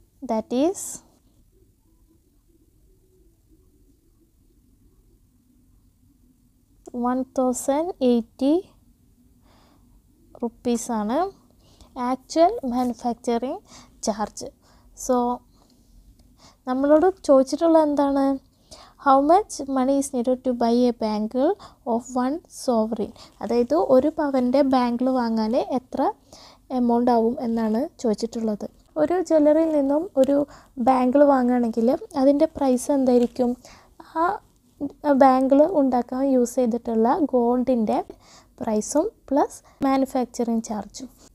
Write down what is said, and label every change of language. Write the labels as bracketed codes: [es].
[en] that is [ml] ₹1,080 ആണ് actual manufacturing charge. So നമ്മളോട് ചോദിച്ചിട്ടുള്ള എന്താണ്? [en] How much money is needed to buy a bangle of 1 sovereign? [ml] അതായത് ഒരു പവൻ്റെ ബാംഗിൾ വാങ്ങാൻ എത്ര എമൗണ്ട് ആവും എന്നാണ് ചോദിച്ചിട്ടുള്ളത്. ഒരു ജ്വല്ലറിയിൽ നിന്നും ഒരു ബാംഗിൾ വാങ്ങുകയാണെങ്കിൽ അതിൻ്റെ പ്രൈസ് എന്തായിരിക്കും? ആ ബാംഗിൾ ഉണ്ടാക്കാൻ യൂസ് ചെയ്തിട്ടുള്ള ഗോൾഡിൻ്റെ പ്രൈസും പ്ലസ് മാനുഫാക്ചറിങ് ചാർജും.